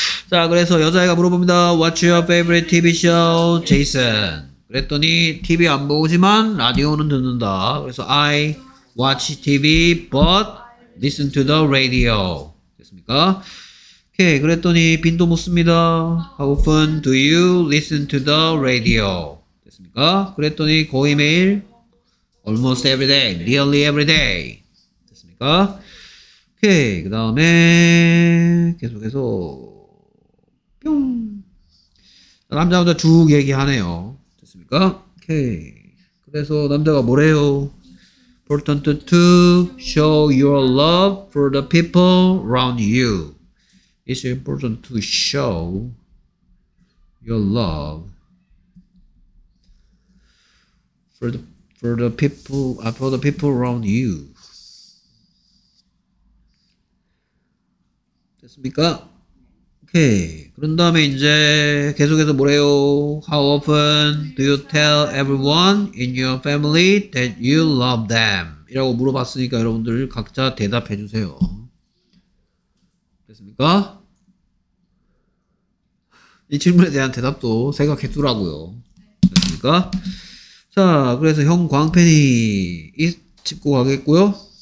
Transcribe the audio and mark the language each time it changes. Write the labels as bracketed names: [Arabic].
[Korean] 자, 그래서 여자애가 물어봅니다. [English] What's your favorite TV show, Jason? [Korean] 그랬더니 TV 안 보지만 라디오는 듣는다. 그래서 [English] I watch TV but Listen to the radio. [Korean] 됐습니까? 오케이. 그랬더니 빈도 묻습니다. [English] How often do you listen to the radio? [Korean] 됐습니까? 그랬더니 거의 매일? [English] Almost every day. Nearly every day. [Korean] 됐습니까? 오케이. 그 다음에 계속해서 뿅. 남자 혼자 쭉 얘기하네요. 됐습니까? 오케이. 그래서 남자가 뭐래요? [English] Important to show your love for the people around you. It's important to show your love for the people around you. [Korean] 됐습니까? 오케이. 그런 다음에 이제 계속해서 뭐래요? [English] How often do you tell everyone in your family that you love them? [Korean] 이라고 물어봤으니까 여러분들 각자 대답해 주세요. 됐습니까? 이 질문에 대한 대답도 생각해 두라고요. 됐습니까? 자, 그래서 형 광팬이 it 짚고 가겠고요.